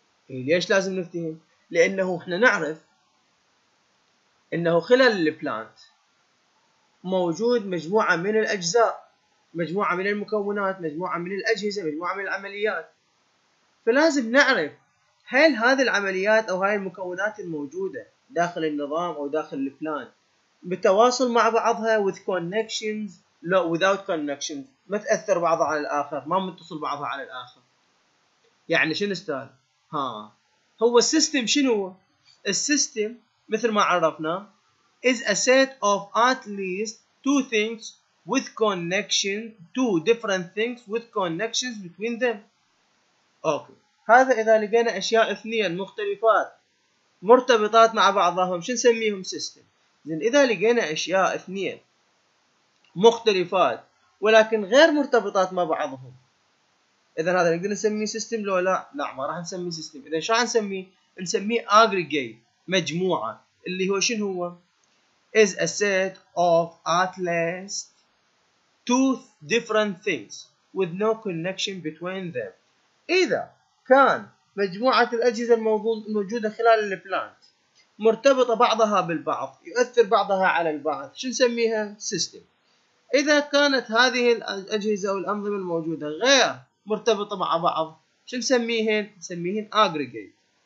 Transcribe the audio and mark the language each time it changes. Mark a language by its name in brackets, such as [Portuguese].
[Arabic] ليش لازم نفتهم؟ لانه احنا نعرف انه خلال البلانت موجود مجموعة من الاجزاء، مجموعة من المكونات، مجموعة من الاجهزة، مجموعة من العمليات. فلازم نعرف هل هذه العمليات او هاي المكونات الموجودة داخل النظام او داخل البلانت بتواصل مع بعضها [English] with connections [Arabic] لو [English] without connections، [Arabic] ما تأثر بعضها على الاخر، ما متصل بعضها على الاخر. يعني شنو استاذ؟ ها هو السيستم شنو؟ السيستم مثل ما عرفنا [English] is a set of at least two things with connection two different things with connections between them. [Arabic] اوكي هذا اذا لقينا اشياء اثنين مختلفات مرتبطات مع بعضهم شنو نسميهم؟ سيستم. زين اذا لقينا اشياء اثنين مختلفات ولكن غير مرتبطات مع بعضهم، اذا هذا نقدر نسميه سيستم لو لا؟ لا ما راح نسميه سيستم. اذا شو نسميه؟ نسميه اجريجيت، مجموعه، اللي هو شنو هو؟ [English] is a set of at least two different things with no connection between them. [Arabic] اذا كان مجموعه الاجهزه الموجوده خلال البلانت مرتبطه بعضها بالبعض، يؤثر بعضها على البعض، شو نسميها؟ سيستم. اذا كانت هذه الاجهزه والانظمه الموجوده غير مرتبطة مع بعض، شو نسميهن؟ نسميهن aggregate.